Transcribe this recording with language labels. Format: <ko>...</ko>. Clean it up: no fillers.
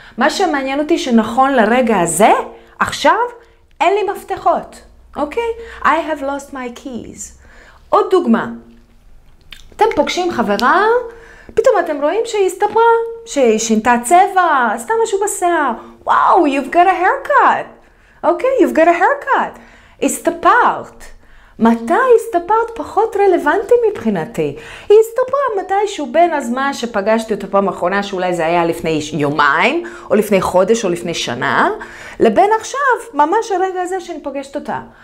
<he>מה שמעניין אותי שנכון לרגע הזה, עכשיו, אין לי מפתחות. אוקיי?</he> <en>Okay? I have lost my keys.</en> <he>עוד דוגמה. אתם פוגשים חברה, פתאום אתם רואים שהיא הסתפרה, שהיא שינתה צבע, עשתה משהו בשיער.</he> <en>וואו, wow, you've got a haircut. אוקיי? Okay? You've got a haircut.</en> <he>הסתפרת. מתי הסתפרת פחות רלוונטי מבחינתי? היא הסתפרה מתישהו בין הזמן שפגשתי אותה פעם האחרונה, שאולי זה היה לפני יומיים, או לפני חודש, או לפני שנה, לבין עכשיו, ממש הרגע הזה שאני פגשת אותה.</he>